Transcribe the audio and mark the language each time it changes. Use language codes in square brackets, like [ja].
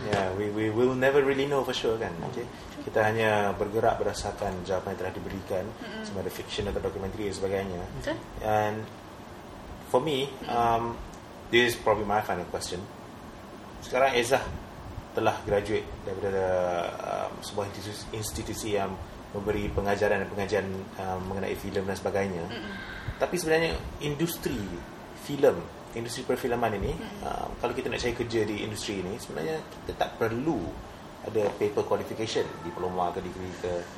[en] Yeah, we will never really know for sure kan. [ms] Okay? Kita hanya bergerak berdasarkan jawapan yang telah diberikan. Sama ada fiction atau dokumentari dan sebagainya. [en] And for me, this is probably my final question. [ms] Sekarang Ezah telah graduate daripada sebuah institusi yang memberi pengajaran dan pengajian mengenai filem dan sebagainya. Tapi sebenarnya industri filem, industri perfilman ini, kalau kita nak cari kerja di industri ini, sebenarnya kita tak perlu ada paper qualification, diploma ke degree ke.